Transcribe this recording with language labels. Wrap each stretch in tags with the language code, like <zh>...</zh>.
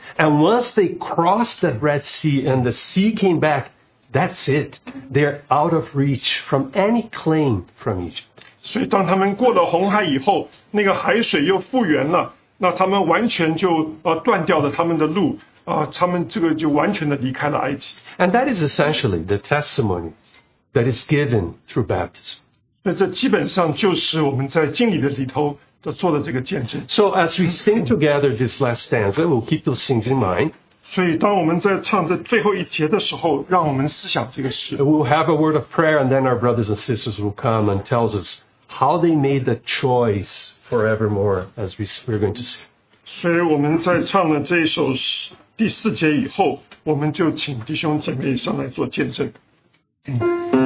<en>And once they crossed the Red Sea and the sea came back, that's it. They're out of reach from any claim from Egypt.</en> <zh>所以当他们过了红海以后，那个海水又复原了，那他们完全就断掉了他们的路，他们这个就完全的离开了埃及。</zh> <en>And that is essentially the testimony that is given through baptism.</en> <zh>那这基本上就是我们在敬礼的里头做的这个见证。</zh> <en>So as we sing together this last stanza, we'll keep those things in mind.</en> <zh>所以当我们在唱这最后一节的时候，让我们思想这个事。</zh> <en>We'll have a word of prayer, and then our brothers and sisters will come and tell us how they made the choice forevermore, as we're going to sing.</en> <zh>所以我们在唱了这一首第四节以后，我们就请弟兄姐妹上来做见证。</zh>